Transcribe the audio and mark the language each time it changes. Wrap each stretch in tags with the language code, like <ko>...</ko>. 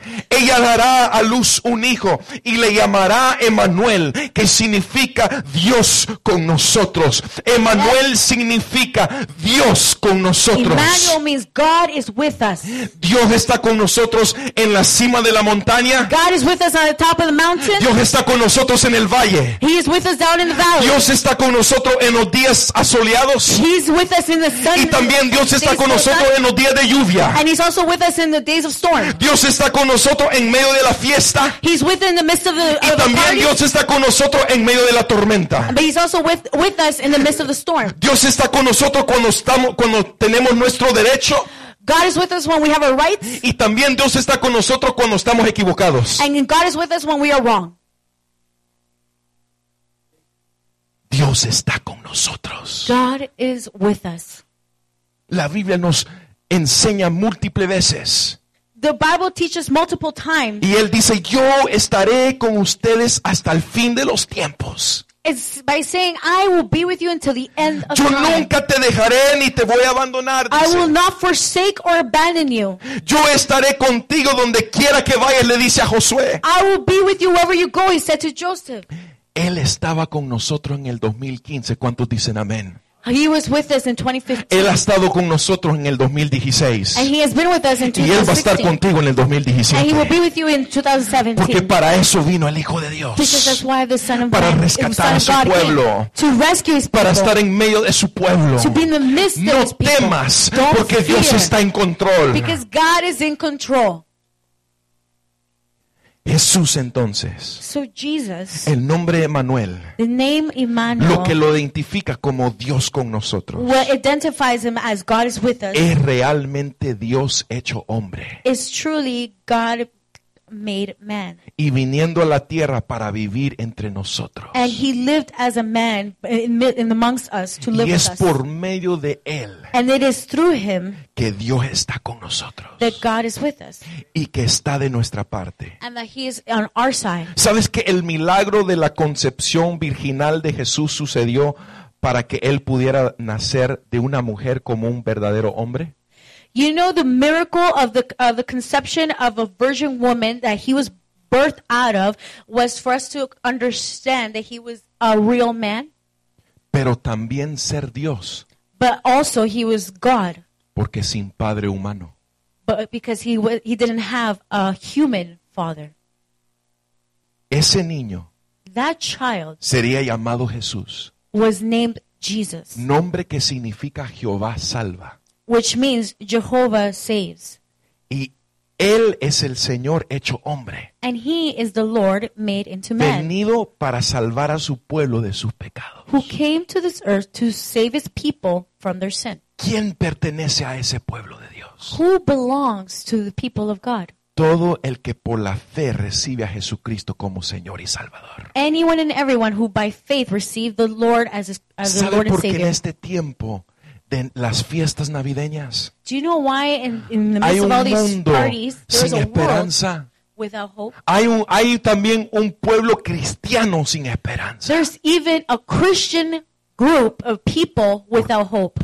<es>Ella dará a luz un hijo y le llamará Emmanuel, que significa Dios con nosotros. Emmanuel significa Dios con nosotros.</es> <en>Emmanuel means God is with us.</en> <es>Dios está con nosotros en la cima de la montaña.</es> <en>God is with us on the top of the mountain.</en> <es>Dios está con nosotros en el valle.</es> <en>He is with us down in the valley.</en> <es>Dios está con nosotros en los días asoleados.</es> <en>He's with us in the sun.</en> <es>Y también Dios está con nosotros en los días de lluvia.</es> <en>And he's also with us in the days of storm.</en> <es>Dios está con nosotros nosotros en medio de la fiesta.</es> <en>He's within the midst of the</en> <es>y también</es> <en>of the</en> <es>Dios está con nosotros en medio de la tormenta.</es> <en>But he's also with us in the midst of the storm.</en> <es>Dios está con nosotros cuando estamos cuando tenemos nuestro derecho.</es> <en>God is with us when we have our rights.</en> <es>Y también Dios está con nosotros cuando estamos equivocados.</es> <en>And God is with us when we are wrong.</en> <es>Dios está con nosotros.</es> <en>God is with us.</en> <es>La Biblia nos enseña múltiples veces.</es> <en>The Bible teaches multiple times.</en> <es>Y él dice, yo estaré con ustedes hasta el fin de los tiempos.</es> <en>It's by saying, I will be with you until the end of</en> <es>yo</es> <en>time.</en> <es>Yo nunca te dejaré ni te voy a abandonar.</es> <en>I will not forsake or abandon you.</en> <es>Yo estaré contigo donde quiera que vayas, le dice a Josué.</es> <en>I will be with you wherever you go, he said to Joseph.</en> <es>Él estaba con nosotros en el 2015. ¿Cuántos dicen amén?</es> <en>He was with us in 2015.</en> <es>Él ha estado con nosotros en el 2016.</es> <en>And he has been with us in 2016.</en> <es>Y él va a estar contigo en el 2017.</es> <en>And he will be with you in 2017.</en> <es>Porque para eso vino el Hijo de Dios.</es> <en>Because that's why the Son of God.</en> <es>Para rescatar a su pueblo.</es> <en>To rescue his people.</en> <es>Para estar en medio de su pueblo.</es> <en>To be in the midst of his people.</en> <es>No temas, porque Dios está en control.</es> <en>Because God is in control.</en> <es>Jesús entonces,</es> <en>so Jesus,</en> <es>el nombre Emmanuel,</es> <en>the name Emmanuel,</en> <es>lo que lo identifica como Dios con nosotros,</es> <en>what identifies him as God is with us,</en> <es>es realmente Dios hecho hombre,</es> <en>is truly God made man,</en> <es>y viniendo a la tierra para vivir entre nosotros,</es> <en>and he lived as a man in amongst us to live with us,</en> <es>y es por medio de él,</es> <en>and it is through him,</en> <es>que Dios está con nosotros,</es> <en>that God is with us,</en> <es>y que está de nuestra parte,</es> <en>and that he is on our side.</en> <es>¿Sabes que el milagro de la concepción virginal de Jesús sucedió para que él pudiera nacer de una mujer como un verdadero hombre?</es> <en>You know the miracle of the conception of a virgin woman that he was birthed out of was for us to understand that he was a real man.</en> <es>Pero también ser Dios.</es> <en>But also he was God.</en> <es>Porque sin padre humano.</es> <en>But because he didn't have a human father.</en> <es>Ese niño.</es> <en>That child.</en> <es>Sería llamado Jesús.</es> <en>Was named Jesus.</en> <es>Nombre que significa Jehová salva.</es> <en>Which means Jehovah saves.</en> <es>Y él es el Señor hecho hombre.</es> <en>And he is the Lord made into man.</en> <es>Venido para salvar a su pueblo de sus pecados.</es> <en>Who came to this earth to save his people from their sin.</en> <es>¿Quién pertenece a ese pueblo de Dios?</es> <en>Who belongs to the people of God?</en> <es>Todo el que por la fe recibe a Jesucristo como Señor y Salvador.</es> <en>Anyone and everyone who by faith receive the Lord as his, as the Lord and Savior.</en> <es>¿Sabe por qué en este tiempo de las fiestas navideñas?</es> <en>Do you know why in the midst of all these parties</en> <es>sin esperanza.</es> <en>Without hope.</en> <es>Hay también un pueblo cristiano sin esperanza.</es> <en>There's even a Christian group of people without hope.</en>